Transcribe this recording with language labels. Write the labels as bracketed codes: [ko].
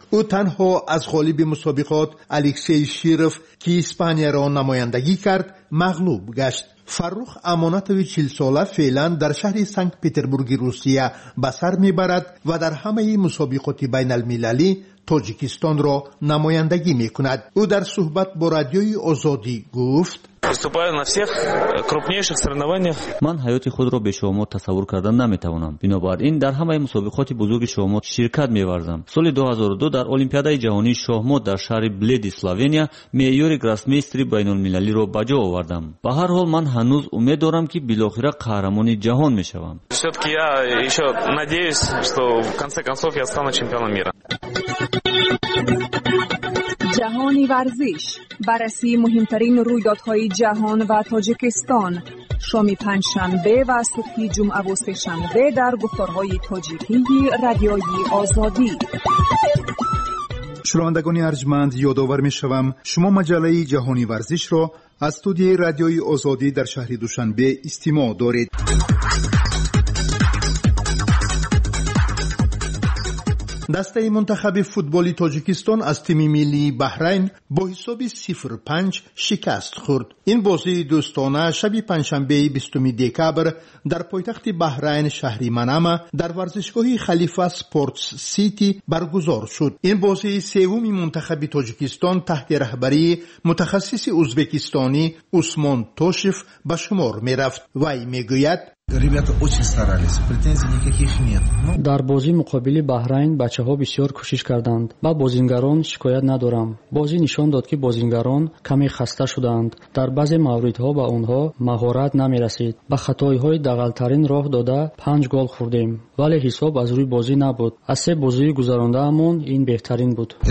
[fa] او تنها از غالب مسابقات الکسی شیرف که اسپانیا را نمایندگی کرد مغلوب گشت. فرخ امانتوی 40 ساله فعلا در شهر سنت پیتربورگ روسیه به سر میبرد و در همه مسابقات بین المللی تاجیکستان را نمایندگی میکند. او در صحبت با رادیوی آزادی گفت: [ru] выступаю на всех крупнейших соревнованиях. [tg] Ман ҳаёти худро бе шумо тасаввур кардан наметавонам. Бинобар ин дар ҳамаи мусобиқоти бузурги шумо ширкат меварзам. Соли 2002 дар олимпиадаи ҷаҳонии шоҳмот дар шаҳри Бледи, Словения, меъёри гроссмейстри байналмилалиро ба ҷо овардам. Ба ҳар ҳол ман ҳанӯз умед дорам ки билохира қаҳрамони ҷаҳон мешавам. [ru] Всё-таки я ещё надеюсь, что в конце концов я стану чемпионом мира. [fa] جهانی ورزش، بررسی مهمترین رویدادهای جهان و تاجیکستان، شامی پنجشنبه و صبحی جمعه و سه‌شنبه در گفتارهای تاجیکی رادیویی آزادی. شنوندگان ارجمند، یادآور می‌شوم شما مجله جهانی ورزش را از استودیوی رادیویی آزادی در شهر دوشنبه استماع دارید. دسته منتخب فوتبال تاجیکستان از تیم ملی بحرین با حساب 0-5 شکست خورد. این بازی دوستانه شب پنجشنبه 20 دکبر در پایتخت بحرین شهر منما در ورزشگاه خلیفه سپورتس سیتی برگزار شد. این بازی سوم منتخب تاجیکستان تحت رهبری متخصص ازبکستانی عثمان توشف به شمار می رفت. وی می گوید: [ru] ребята очень старались, претензий никаких нет. [tg] Дар бози муқобили Баҳрайн бачаҳо бисёр кӯшиш карданд. Ба бозингарон шикоят надорам. Бози нишон дод ки бозингарон каме хаста шуданд. Дар баъзе мавридҳо ба онҳо маҳорат намерасид. Ба хатоиҳои дағалтарин роҳ дода 5 гол хӯрдем. Вале ҳисоб аз рӯи бозӣ набуд. Аз се бозии гузарондаамон ин беҳтарин буд.